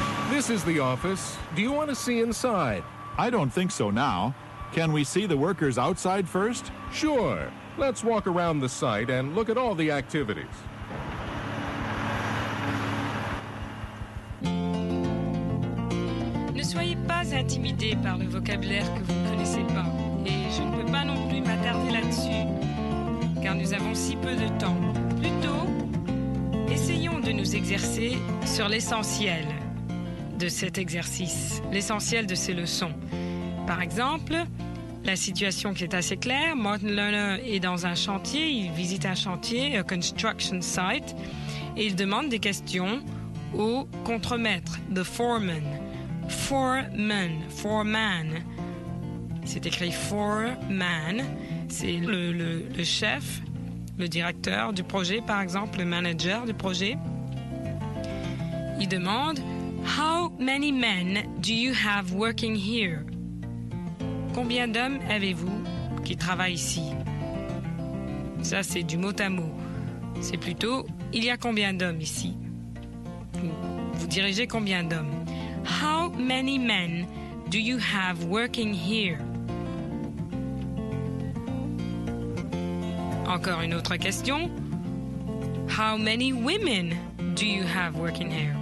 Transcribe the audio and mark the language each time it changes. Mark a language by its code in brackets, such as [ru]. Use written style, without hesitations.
[en] This is the office. Do you want to see inside? I don't think so now. Can we see the workers outside first? Sure. Let's walk around the site and look at all the activities. [fr] Ne soyez pas intimidé par le vocabulaire que vous ne connaissez pas. Et je ne peux pas non plus m'attarder là-dessus, car nous avons si peu de temps. Plutôt, essayons de nous exercer sur l'essentiel de cet exercice, l'essentiel de ces leçons. Par exemple, la situation qui est assez claire, Martin Lerner est dans un chantier, il visite un chantier, [en] a construction site, [fr] et il demande des questions au contremaître, [en] the foreman. Foreman, foreman. [fr] C'est écrit foreman, c'est le chef, le directeur du projet, par exemple, le manager du projet. Il demande, [en] how many men do you have working here? [fr] Combien d'hommes avez-vous qui travaillent ici? Ça, c'est du mot à mot. C'est plutôt, il y a combien d'hommes ici? Vous dirigez combien d'hommes? [en] How many men do you have working here? [fr] Encore une autre question. [en] How many women do you have working here?